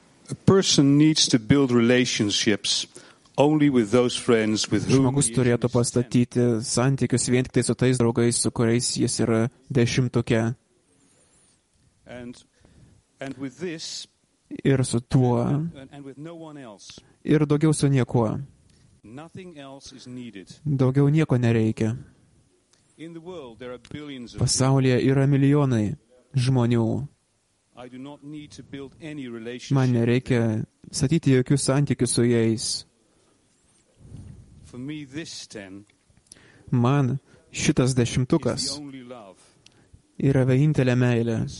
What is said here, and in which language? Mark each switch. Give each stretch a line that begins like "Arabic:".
English: A person needs to build relationships only with those friends with whom
Lithuanian: žmogus turėtų pastatyti santykius vien tik su tais draugais, su kuriais jis yra dešimtuke.
English: And with this,
Lithuanian: ir su tuo,
English: and with no one else,
Lithuanian: ir daugiau su niekuo.
English: Nothing else is needed.
Lithuanian: Daugiau nieko nereikia.
English: In the world there are billions of
Lithuanian: pasaulyje yra milijonai žmonių.
English: I do not need to build any relationship.
Lithuanian: Man nereikia statyti jokių santykių su jais.
English: For me this ten,
Lithuanian: man šitas dešimtukas yra vienintelė meilė.